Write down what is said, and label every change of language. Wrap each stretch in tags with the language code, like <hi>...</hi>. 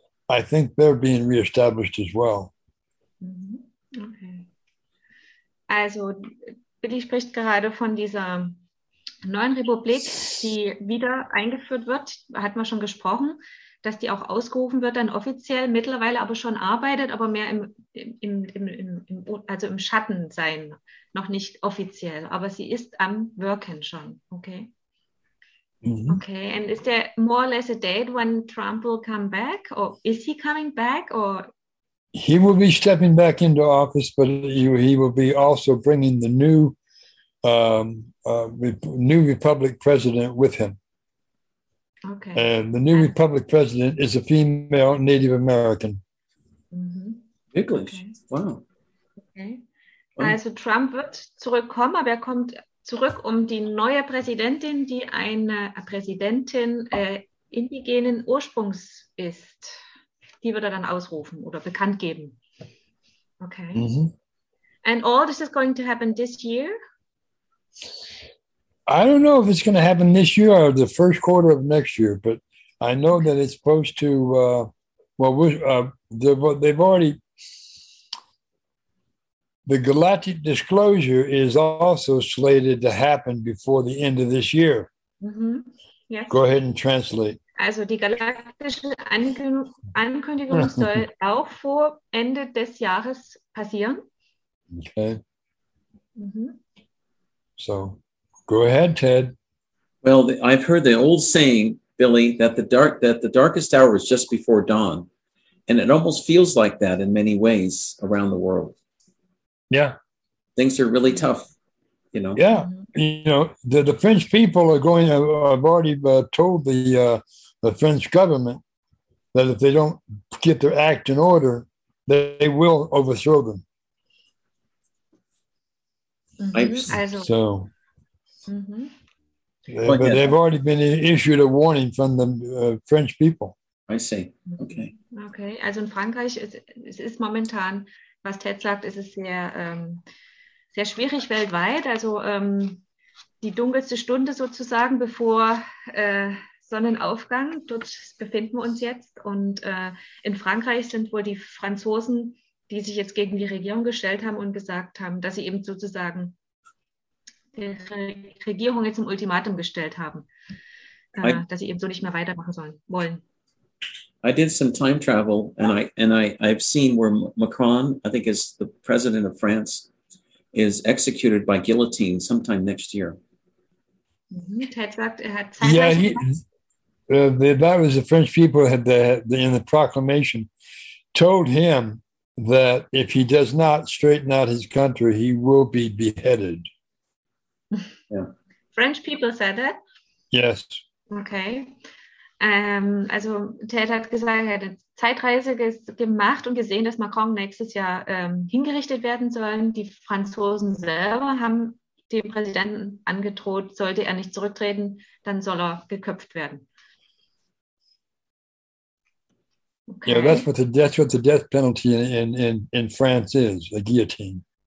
<en>I think they're being reestablished as well. Okay.</en> <de>Also, Billy spricht gerade von dieser neuen Republik, die wieder eingeführt wird, hat man schon gesprochen, dass die auch ausgerufen wird, dann offiziell, mittlerweile aber schon arbeitet, aber mehr im Schatten sein, noch nicht offiziell, aber sie ist am Worken schon, okay? Mm-hmm.</de> <en>Okay, and is there more or less a date when Trump will come back, or is he coming back, or? He will be stepping back into office, but he will be also bringing the new new Republic president with him. Okay. And the new Republic president is a female Native American. Mm-hmm. English. Okay. Wow. Okay.</en> <de>Also Trump wird zurückkommen, aber er kommt zurück, um die neue Präsidentin, die eine Präsidentin indigenen Ursprungs ist, die wird er dann ausrufen oder bekannt geben.</de> <en>Okay. Mm-hmm. And all this is going to happen this year? I don't know if it's going to happen this year or the first quarter of next year, but I know that it's supposed to, they've already, the Galactic Disclosure is also slated to happen before the end of this year. Mm-hmm. Yes. Go ahead and translate.</en> <de>Also die galaktische Ankündigung soll auch vor Ende des Jahres passieren.</de> <en>Okay. Mm-hmm. So. Go ahead, Ted. Well, I've heard the old saying, Billy, that the darkest hour is just before dawn. And it almost feels like that in many ways around the world. Yeah. Things are really tough, you know. Yeah. You know, the French people are going, I've already told the French government that if they don't get their act in order, they will overthrow them. So... Mm-hmm. But they've already been issued a warning from the French people. I see. Okay. Okay.</en> <de>Also in Frankreich ist momentan, was Ted sagt, ist es sehr sehr schwierig weltweit. Also die dunkelste Stunde sozusagen bevor Sonnenaufgang. Dort befinden wir uns jetzt. Und in Frankreich sind wohl die Franzosen, die sich jetzt gegen die Regierung gestellt haben und gesagt haben, dass sie eben sozusagen die Regierung jetzt im Ultimatum gestellt haben, dass sie eben so nicht mehr weitermachen wollen.</de> <en>I did some time travel and I've seen where Macron, I think is the president of France, is executed by guillotine sometime next year.</en> <de>Mm-hmm. Ted sagt, er hat</de> <en>that was the French people had in the proclamation told him that if he does not straighten out his country, he will be beheaded. Yeah. French people said that? Yes. Okay.</en> <de>Also Ted hat gesagt, er hat eine Zeitreise gemacht und gesehen, dass Macron nächstes Jahr hingerichtet werden soll. Die Franzosen selber haben dem Präsidenten angedroht, sollte er nicht zurücktreten, dann soll er geköpft werden.</de> <en>Okay. Yeah, that's what the death penalty in France is, a guillotine.</en>